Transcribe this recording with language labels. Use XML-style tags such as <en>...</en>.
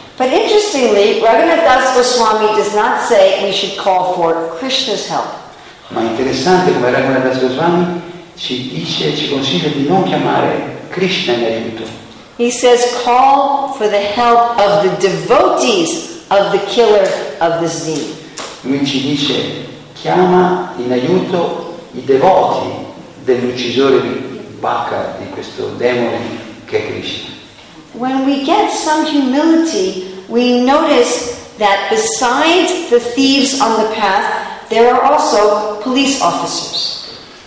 <en>But interestingly, Raghunath Das Goswami does not say we should call for Krishna's help.</en> <it>Ma interessante come Raghunath Das Goswami ci dice, ci consiglia di non chiamare Krishna in aiuto.</it> <en>He says call for the help of the devotees of the killer of this demon.</en> <it>Lui ci dice chiama in aiuto i devoti dell'uccisore di Bhaka, di questo demone che è Krishna.</it> <en>When we get some humility, we notice that besides the thieves on the path, there are also police officers.</en>